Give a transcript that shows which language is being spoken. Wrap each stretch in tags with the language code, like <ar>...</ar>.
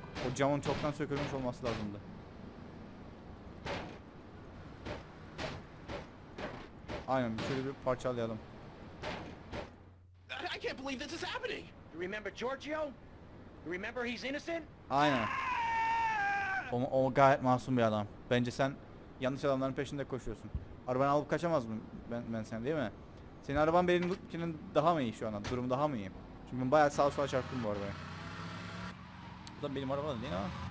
<tr>O camın çoktan sökülmüş olması lazımdı. Aynen, şöyle bir parçalayalım.</tr> <en>I can't believe this is happening. You remember Giorgio? You remember he's innocent?</en> <tr>Aynen. O gayet masum bir adam. Bence sen yanlış adamların peşinde koşuyorsun. Arabanı alıp kaçamaz mı ben sen değil mi? Senin araban benimkinin daha mı iyi şu anda? Durum daha mı iyi? Çünkü ben bayağı sağa sola çarptım bu arabaya. Bu da benim arabam değil ama.</tr>